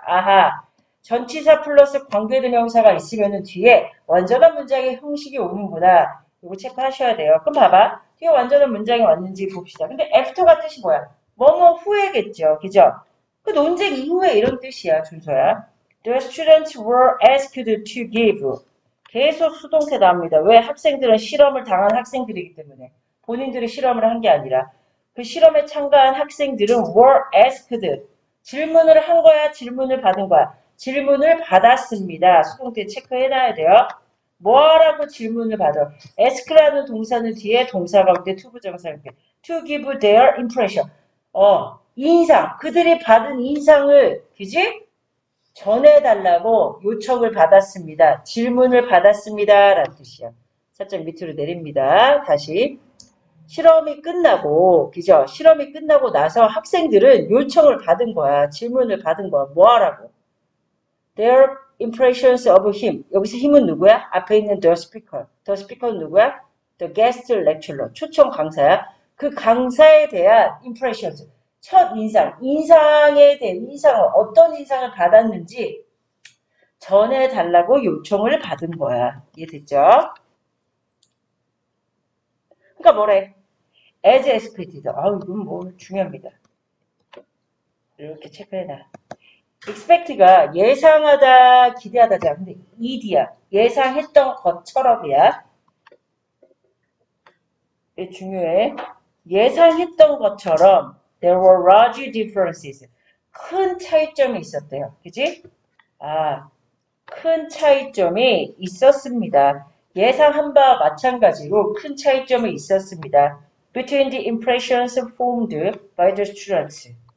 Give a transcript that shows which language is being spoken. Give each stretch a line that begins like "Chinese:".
Korean: 아하, 전치사 플러스 관계대명사가 있으면은 뒤에 완전한 문장의 형식이 오는구나. 이거 체크하셔야 돼요. 그럼 봐봐, 뒤에 완전한 문장이 왔는지 봅시다. 근데 after가 뜻이 뭐야? 뭐뭐 후에겠죠, 그죠? 그 논쟁 이후에 이런 뜻이야, 준서야.
English: The students were asked to give.
Korean: 계속 수동태 나옵니다. 왜? 학생들은 실험을 당한 학생들이기 때문에. 본인들이 실험을 한게 아니라. 그 실험에 참가한 학생들은
English: were asked.
Korean: 질문을 한 거야? 질문을 받은 거야? 질문을 받았습니다. 수동태 체크해놔야 돼요. 뭐라고 질문을 받아? ask라는 동사는 뒤에 동사가 올때 to 부정사 이렇게.
English: To give their impression.
Korean: 인상. 그들이 받은 인상을, 그지? 전해달라고 요청을 받았습니다. 질문을 받았습니다. 라는 뜻이야. 살짝 밑으로 내립니다. 다시. 실험이 끝나고, 그죠? 실험이 끝나고 나서 학생들은 요청을 받은 거야. 질문을 받은 거야. 뭐 하라고?
English: Their impressions of him.
Korean: 여기서 him은 누구야? 앞에 있는 the speaker. The speaker는 누구야?
English: The guest lecturer.
Korean: 초청 강사야. 그 강사에 대한 impressions. 첫 인상, 인상에 대한 인상을, 어떤 인상을 받았는지 전해달라고 요청을 받은 거야. 이해됐죠? 그러니까 뭐래?
English: As expected.
Korean: 아우, 이건 뭐, 중요합니다. 이렇게 체크해놔. Expect가 예상하다, 기대하다잖아. 근데 ED야. 예상했던 것처럼이야. 이게 중요해. 예상했던 것처럼
English: There were large differences.
Korean: 큰 차이점이 있었대요. 그지? 아, 큰 차이점이 있었습니다. 예상한 바와 마찬가지로 큰 차이점이 있었습니다.
English: Between the impressions formed by the students.